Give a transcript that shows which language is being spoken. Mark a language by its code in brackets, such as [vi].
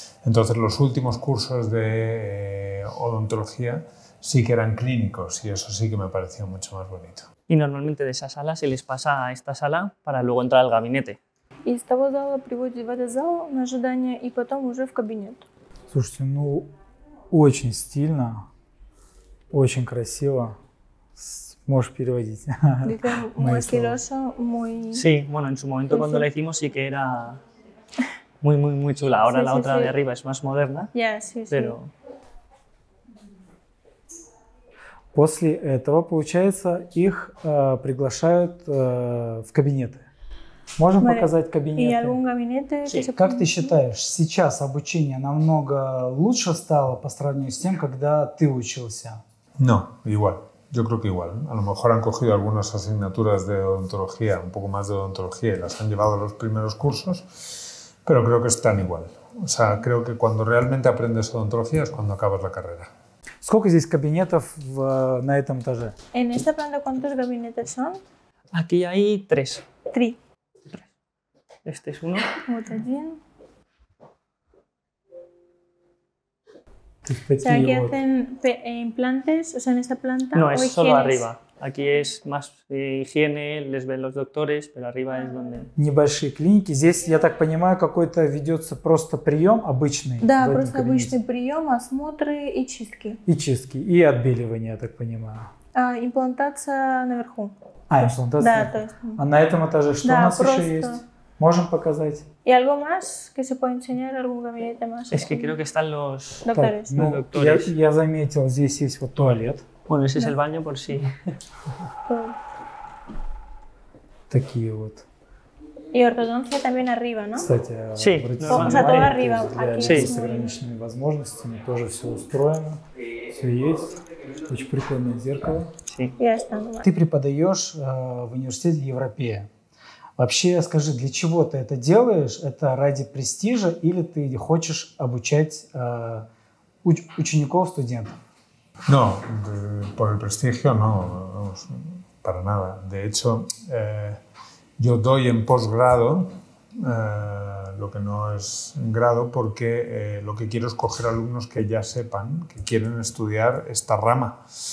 [es] Entonces los últimos cursos de odontología sí que eran clínicos y eso sí que me pareció mucho más bonito. Y normalmente de esa sala se les pasa a esta sala para luego entrar al gabinete. Y de este sala los llevan a este sala en [ru] ожидание [es] y luego ya al gabinete. [ru] Слушайте, ну очень стильно, очень красиво. Можешь переводить. [es] Muy estiloso, muy. Sí, bueno, en su momento cuando la hicimos sí que era muy muy muy chula. Ahora la otra de arriba es más moderna. Pero [ru] после этого, получается, их приглашают в кабинеты. Можем показать кабинеты? И [es] algún gabinete, sí. [ru] Как ты считаешь, сейчас обучение намного лучше стало по сравнению с тем, когда ты учился? [es] No, igual. Yo creo que igual. A lo mejor han cogido algunas asignaturas de odontología, un poco más de odontología, y las han llevado a los primeros cursos, pero creo que están igual. O sea, creo que cuando realmente aprendes odontología es cuando acabas la carrera. [ru] Сколько здесь кабинетов на этом этаже? [es] En esta planta, ¿cuántos gabinetes son? Aquí hay tres. [ru] Три. [es] Este es uno. [ru] Вот один. [es] Aquí hacen implantes, o sea, en esta planta. No, es solo arriba. Aquí es más higiene, les ven los doctores, pero arriba es donde... [ru] Небольшие клиники. Здесь, я так понимаю, какой-то ведется просто прием обычный? Да, просто кабинете. Обычный прием, осмотры и чистки. И чистки, и отбеливание, я так понимаю. А, имплантация наверху. А, имплантация да, наверху. То есть... А на этом этаже что да, у нас просто... еще есть? Можем показать? И [es] algo más que se puede enseñar algún gabinete más? Es que creo que están los doctores. [ru] Ну, я заметил, здесь есть вот туалет. [es] Bueno, ese es el baño por sí. [ru] Такие вот. И ортодонтия [es] también arriba, ¿no? [ru] Кстати, [es] sí. O sea, todo arriba. Aquí sí. [ru] С ограниченными возможностями тоже все устроено, все есть. Очень прикольное зеркало. [es] Sí. Ya está. [ru] Ты преподаешь в университете Европея. Вообще, скажи, для чего ты это делаешь? Это ради престижа или ты хочешь обучать учеников, студентов? [es] No, por el prestigio no, vamos, para nada. De hecho, yo doy en posgrado lo que no es grado porque lo que quiero es coger alumnos que ya sepan que quieren estudiar esta rama.